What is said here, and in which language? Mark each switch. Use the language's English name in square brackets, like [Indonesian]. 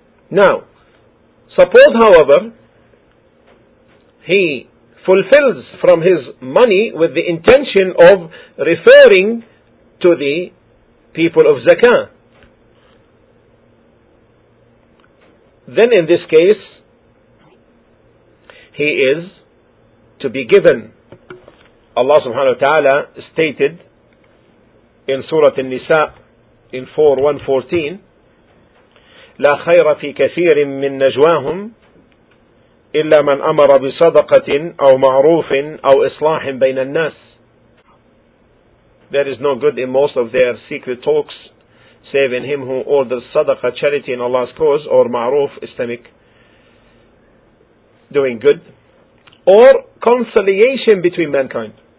[English] Now, suppose, however, he fulfills from his money with the intention of referring to the people of zakah. Then in this case, he is to be given. Allah subhanahu wa ta'ala stated in Surah An-Nisa in 4:114, [Arabic] لا خير في كثير من نجواهم إلا من أمر بصدقة أو معروف أو إصلاح بين الناس. [English] There is no good in most of their secret talks save in him who orders sadaqah, charity in Allah's cause, or ma'ruf, islamic, doing good, or conciliation between mankind.